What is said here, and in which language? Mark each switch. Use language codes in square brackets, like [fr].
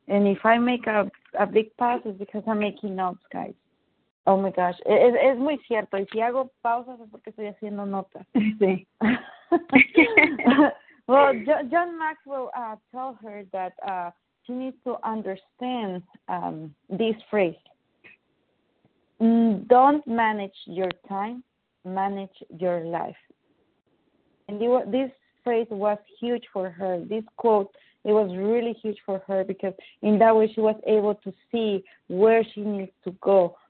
[en] And if I make a big pass, it's because I'm making notes, guys. Oh, my gosh. [es] Es muy cierto. Y si hago pausas es porque estoy haciendo notas. Sí. [en] Well, John Maxwell told her that she needs to understand this phrase. Don't manage your time, manage your life. And this phrase was huge for her. This quote, it was really huge for her because in that way she was able to see where she needs to go.